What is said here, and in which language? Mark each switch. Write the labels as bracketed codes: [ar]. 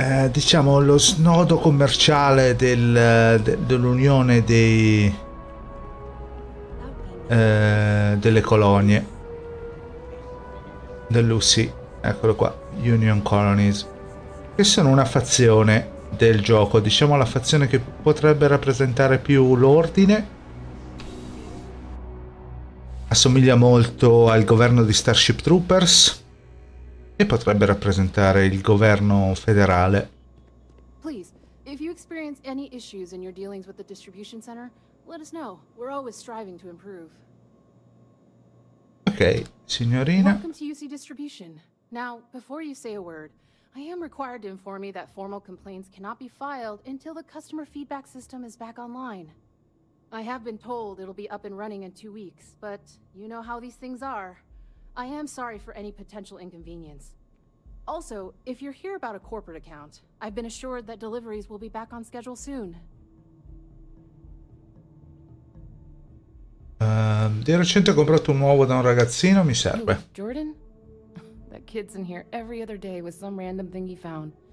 [it] diciamo lo snodo commerciale dell'unione dei delle colonie dell'UC, eccolo qua, Union Colonies, che sono una fazione del gioco, diciamo la fazione che potrebbe rappresentare più l'ordine, assomiglia molto al governo di Starship Troopers e potrebbe rappresentare il governo federale. [en] Please, if you experience any issues in your dealings with the distribution center, let us know. We're always striving to improve. Ok, signorina. Welcome to UC Distribution. Now, before you say a word, I am required to inform you that formal complaints cannot be filed until the customer feedback system is back online. I have been told it'll be up and running in 2 weeks, but you know how these things are. I am sorry for any potential inconvenience. Also, if you're here about a corporate account, I've been assured that deliveries will be back on schedule soon. [it] Di recente ho comprato un uovo da un ragazzino, mi serve. [en] Hey, Jordan? That kid's in here every other day with some random thing he found.